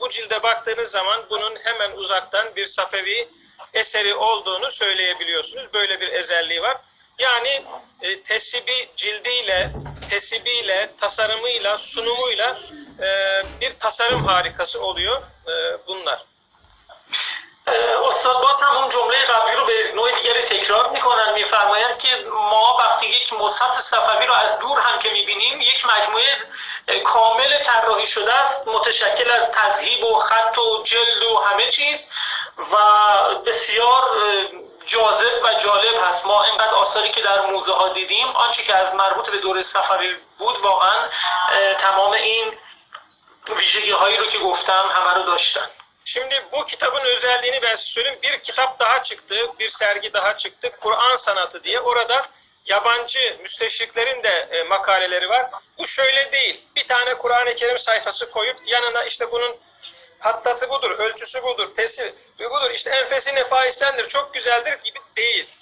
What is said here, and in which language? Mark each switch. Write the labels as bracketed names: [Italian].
[Turkish] Bu cilde baktığınız zaman bunun hemen uzaktan bir Safevi eseri olduğunu söyleyebiliyorsunuz. Böyle bir özelliği var. Yani tesibi cildiyle, tesibiyle, tasarımıyla, sunumuyla bir tasarım harikası oluyor. bunlar. [Persian] استاد با همون جمله قبلی رو به نوع دیگری تکرار میکنن، میفرماین که ما وقتی یک مصحف صفوی رو از دور هم که میبینیم یک مجموعه کامل طراحی شده است، متشکل از تذهیب و خط و جلد و همه چیز و بسیار جاذب و جالب هست. ما اینقدر آثاری که در موزه ها دیدیم، آنچه که از مربوط به دوره صفوی بود واقعا تمام این ویژگی هایی رو که گفتم همه رو داشتن. [Turkish] Şimdi bu kitabın özelliğini ben size söyleyeyim. Bir kitap daha çıktı, bir sergi daha çıktı. Kur'an sanatı diye. Orada yabancı müsteşriklerin de makaleleri var. Bu şöyle değil. Bir tane Kur'an-ı Kerim sayfası koyup yanına işte bunun hattatı budur, ölçüsü budur, tesi budur, işte enfesi nefaistendir, çok güzeldir gibi değil.